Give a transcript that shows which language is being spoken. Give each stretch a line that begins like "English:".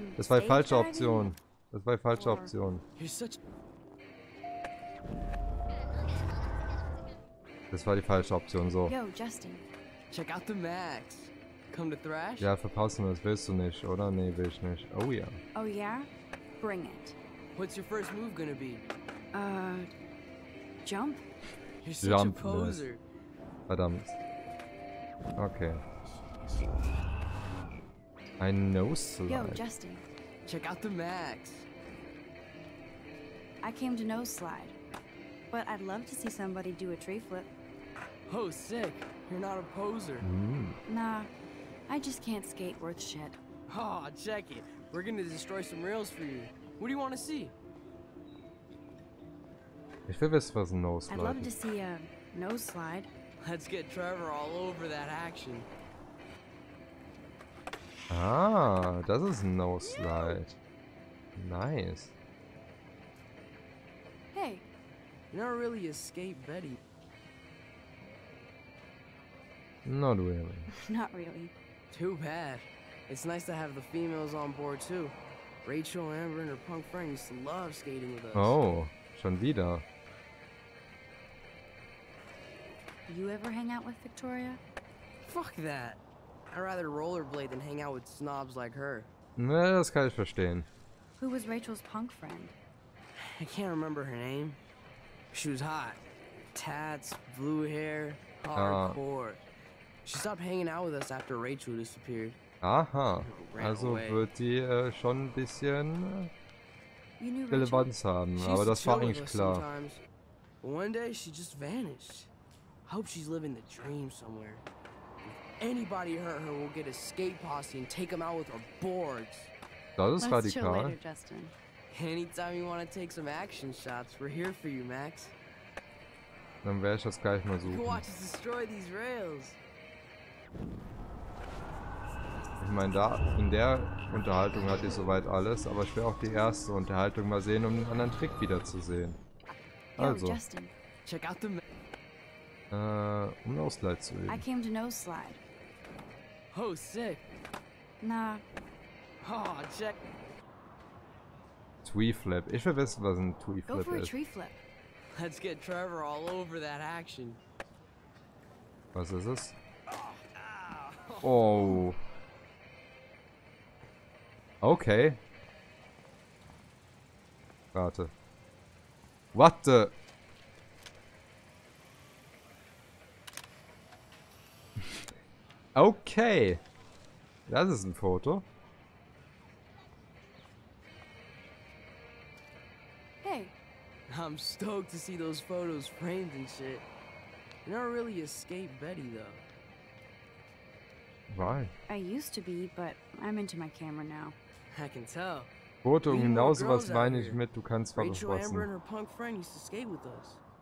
German: Das war die falsche Option. Das war die falsche Option. Das war die falsche Option, so.
English: Yo, Justin. Check out the Max. Come to Thrash?
German: Ja, verpassen wir das, willst du nicht, oder? Nee, will ich nicht. Oh ja.
English: Oh yeah? Bring it. What's your first move gonna be? Jump? You're such jump, a poser. Nice.
German: Verdammt. Okay. Ein Nose Slide.
English: Yo, Justin. Check out the Max. I came to nose slide. But I'd love to see somebody do a tree flip. Oh, sick. You're not a poser. Nah, I just can't skate worth shit. Oh, check it. We're gonna destroy some rails for you. What do you want to see?
German: Ich will wissen, was ein nose slide.
English: I'd love to see a nose slide. Let's get Trevor all over that action.
German: Ah, das ist ein Nose-Slide.
English: Nice. Hey. You never really escaped Betty. Not really. Not really. Too bad. It's nice to have the females on board too. Rachel, Amber and her punk friend used to love skating with us.
German: Oh, schon wieder.
English: You ever hang out with Victoria? Fuck that. I'd rather rollerblade than hang out with snobs like her.
German: Na, das kann ich verstehen.
English: Who was Rachel's punk friend? I can't remember her name. She was hot. Tats, blue hair, hardcore. She stopped hanging out with us after Rachel disappeared. Aha.
German: Also wird die schon ein bisschen Relevanz haben, aber das war eigentlich klar.
English: One day she just vanished. I hope she's living the dream somewhere. If anybody hurt her, we'll get a skate posse and take them out with our boards.
German: Das ist radikal.
English: Anytime you want to take some action shots, we're here for you, Max.
German: Dann werde ich das gleich mal suchen.
English: You watch us destroy these rails.
German: Ich meine, da in der Unterhaltung hatte ich soweit alles, aber ich will auch die erste Unterhaltung mal sehen, um einen anderen Trick wiederzusehen. Also. Um noch Slide zu üben.
English: I came to know Slide. Oh, sick. Nah. Oh, check. Twee Flip.
German: Ich will wissen, was ein Twee Flip ist.
English: Go for a tree flip. Let's get Trevor all over that action.
German: Was ist es? Oh. Okay. Warte.
English: What the?
German: Okay. Das ist ein Foto.
English: Hey. I'm stoked to see those photos framed and shit. You never really escaped Betty, though. Why? I used to be, but I'm into my camera now. I can tell.
German: Foto, genau sowas meine ich mit, du kannst zwar
English: Rachel
German: beschlossen.
English: Amber and her punk friend used to skate with us.